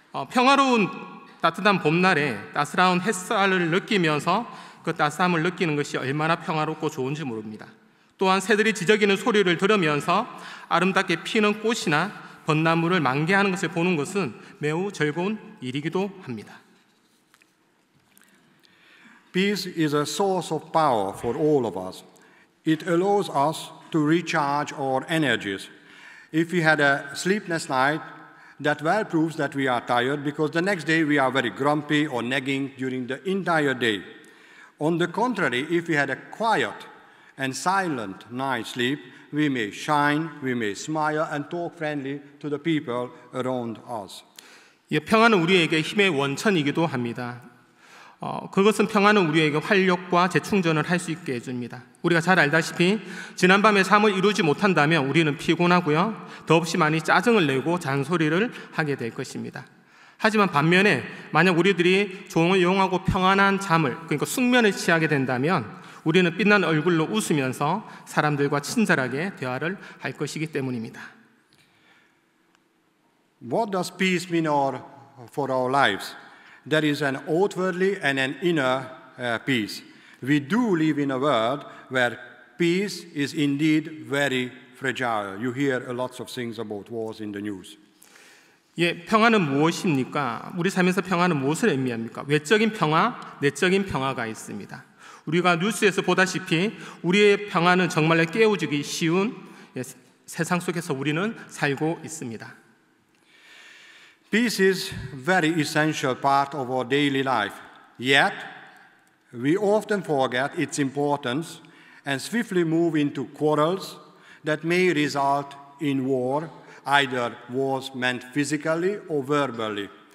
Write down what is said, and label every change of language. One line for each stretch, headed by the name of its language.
Korean: 평화로운 따뜻한 봄날에 따스러운 햇살을 느끼면서 그 따스함을 느끼는 것이 얼마나 평화롭고 좋은지 모릅니다. 또한 새들이 지저귀는 소리를 들으면서 아름답게 피는 꽃이나 벚나무를 만개하는 것을 보는 것은 매우 즐거운 일이기도 합니다.
English: Peace is a source of power for all of us. It allows us to recharge our energies. If we had a sleepless night, that well proves that we are tired because the next day we are very grumpy or nagging during the entire day. On the contrary, if we had a quiet and silent night sleep, we may shine, we may smile and talk friendly to the people around us.
Korean: 예, 평화는 우리에게 힘의 원천이기도 합니다. 그것은 평화는 우리에게 활력과 재충전을 할 수 있게 해줍니다. 우리가 잘 알다시피 지난밤에 잠을 이루지 못한다면 우리는 피곤하고요. 더없이 많이 짜증을 내고 잔소리를 하게 될 것입니다. 하지만 반면에 만약 우리들이 조용하고 평안한 잠을, 그러니까 숙면을 취하게 된다면 우리는 빛난 얼굴로 웃으면서 사람들과 친절하게 대화를 할 것이기 때문입니다.
English: What does peace mean for our lives? There is an outwardly and an inner peace. We do live in a world where peace is indeed very fragile. You hear a lot of things about wars in the news.
Korean: 예, 평화는 무엇입니까? 우리 삶에서 평화는 무엇을 의미합니까? 외적인 평화, 내적인 평화가 있습니다. 우리가 뉴스에서 보다시피 우리의 평화는 정말로 깨우지기 쉬운 세상 속에서 우리는 살고 있습니다.
English: Peace is a very essential part of our daily life. Yet, we often forget its importance and swiftly move into quarrels that may result in war, either wars meant physically or verbally.